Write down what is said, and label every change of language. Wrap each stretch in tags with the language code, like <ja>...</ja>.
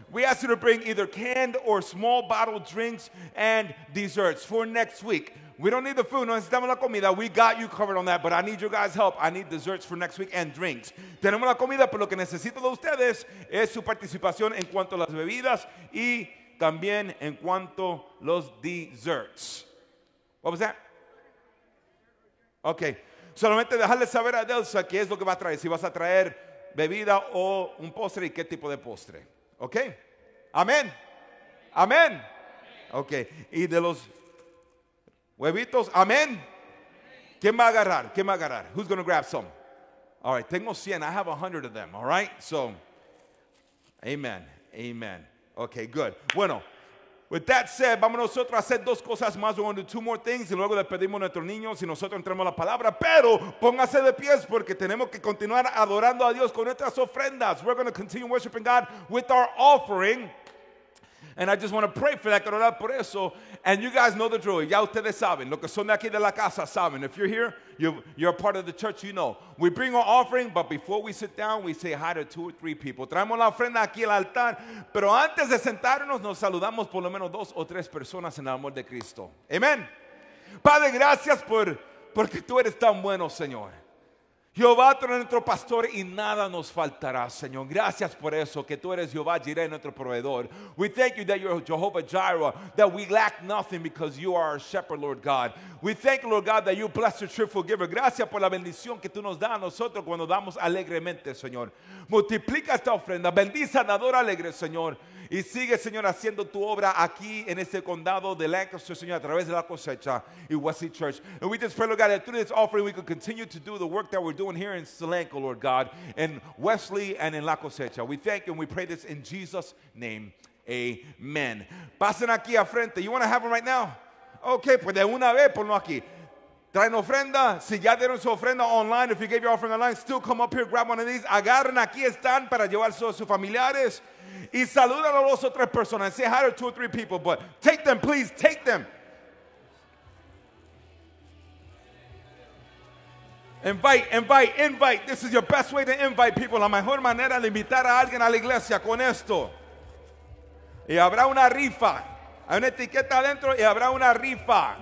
<en>We ask you to bring either canned or small bottle drinks and desserts for next week. We don't need the food,</en> <es>no necesitamos la comida.</es> <en>We got you covered on that, but I need your guys' help. I need desserts for next week and drinks.</en> <es>Tenemos la comida, pero lo que necesito de ustedes es su participación en cuanto a las bebidas y también en cuanto a los desserts.</es> <en>What was that? Okay.</en> <es>Solamente dejarle saber a Delsa qué es lo que va a traer. Si vas a traer bebida o un postre y qué tipo de postre. Okay. Amén. Amén. Okay. Y de los huevitos, amén. ¿Quién va a agarrar? ¿Quién va a agarrar?</es> <en>Who's going to grab some? All right.</en> <es>Tengo 100.</es> <en>I have 100 of them. All right. So, amen. Amen. Okay, good.</en> <es>Bueno,</es> <en>with that said,</en> <es>vamos nosotros a hacer dos cosas más.</es> <en>We're going to do two more things,</en> <es>y luego despedimos a nuestros niños y nosotros entremos la palabra. Pero póngase de pies porque tenemos que continuar adorando a Dios con nuestras ofrendas.</es> <en>We're going to continue worshiping God with our offering. And I just want to pray for that.</en> <es>Quiero orar por eso.</es> <en>And you guys know the drill.</en> <es>Ya ustedes saben. Lo que son de aquí de la casa saben.</es> <en>If you're here, you're a part of the church, you know. We bring our offering, but before we sit down, we say hi to two or three people.</en> <es>Traemos la ofrenda aquí al altar. Pero antes de sentarnos, nos saludamos por lo menos dos o tres personas en el amor de Cristo. Amen. Padre, gracias porque tú eres tan bueno, Señor. Jehová, tú eres nuestro pastor y nada nos faltará, Señor. Gracias por eso, que tú eres Jehová Jireh, nuestro proveedor.</es> <en>We thank you that you're Jehovah Jireh, that we lack nothing because you are our shepherd, Lord God. We thank you, Lord God, that you bless your cheerful giver.</en> <es>Gracias por la bendición que tú nos das a nosotros cuando damos alegremente, Señor. Multiplica esta ofrenda, bendice a dador alegre, Señor. Y sigue, Señor, haciendo tu obra aquí en este condado de Lancaster, Señor, a través de la cosecha y Wesley Church.</es> <en>And we just pray, Lord God, that through this offering we could continue to do the work that we're doing here in Solanco, Lord God, in Wesley and in la cosecha. We thank you and we pray this in Jesus' name. Amen.</en> <es>Pasen aquí a frente.</es> <en>You want to have them right now?</en> <es>Okay, pues de una vez, ponlo aquí. Traen ofrenda. Si ya dieron su ofrenda online,</es> <en>if you gave your offering online, still come up here, grab one of these.</en> <es>Agarren, aquí están para llevarse a sus familiares. Y saludan a los otras personas.</es> <en>Say hi to two or three people, but take them, please, take them. Invite. This is your best way to invite people.</en> <es>La mejor manera de invitar a alguien a la iglesia con esto. Y habrá una rifa. Hay una etiqueta adentro y habrá una rifa.</es>